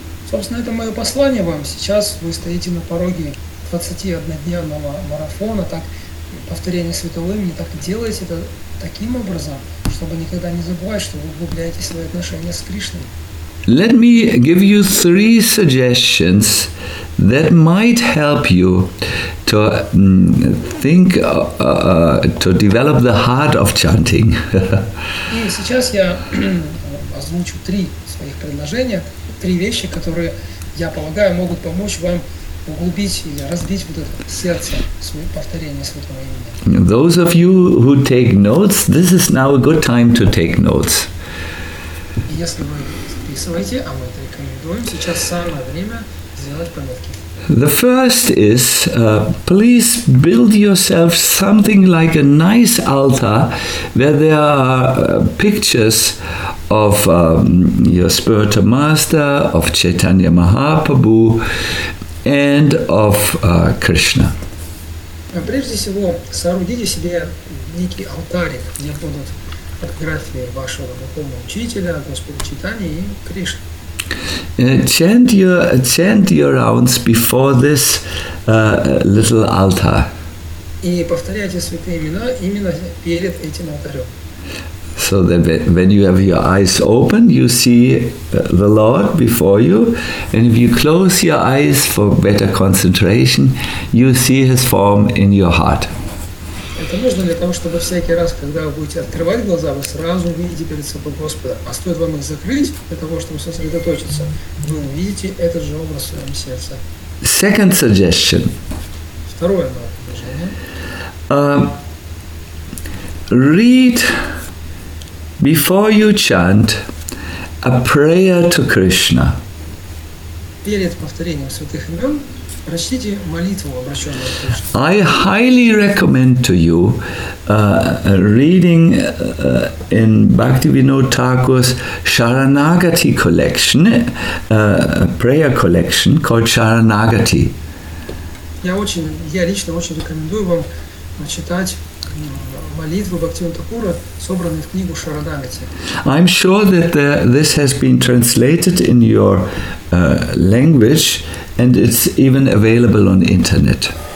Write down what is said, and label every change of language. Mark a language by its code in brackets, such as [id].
[ru] Собственно, это мое послание вам. Сейчас вы стоите на пороге 21-дневного марафона, так повторение святого имени, так делайте это таким образом, чтобы никогда не забывать, что вы углубляете свои отношения с Кришной. [en] Let me give you three suggestions that might help you to think, to develop the heart of chanting. [ru] И сейчас я озвучу три своих предложения, три вещи, которые, я полагаю, могут помочь вам углубить или разбить вот это сердце свое повторение святого имени. [en] Those of you who take notes, this is now a good time to take notes. [ru] Если вы записываете, а мы это рекомендуем, сейчас самое время сделать пометки. [en] The first is, please build yourself something like a nice altar where there are pictures of your spiritual master, of Chaitanya Mahaprabhu, and of Krishna. [ru] Прежде всего, соорудите себе некий алтарик, где будут фотографии вашего духовного учителя, Господа Чайтаньи и Кришны. [en] Chant your rounds before this little altar. [ru] И повторяйте святые имена именно перед этим алтарем. [en] So that when you have your eyes open, you see the Lord before you, and if you close your eyes for better concentration, you see His form in your heart. [ru] Это нужно для того, чтобы всякий раз, когда вы будете открывать глаза, вы сразу увидите перед собой Господа. А стоит вам их закрыть для того, чтобы сосредоточиться, вы увидите этот же образ в своем сердце. [en] Second suggestion. [ru] Второе мое предложение. [en] Read before you chant a prayer to Krishna. [ru] Перед повторением святых имен прочтите молитву, обращенную к Кришне. [en] I highly recommend to you reading in Bhaktivinoda Thakur's Sharanagati collection, prayer collection called Sharanagati. [ru] Я лично очень рекомендую вам читать молитву Бхактивинода Такура, собранную в книгу Шаранагати. [en] I'm sure that this has been translated in your language, and it's even available on the internet.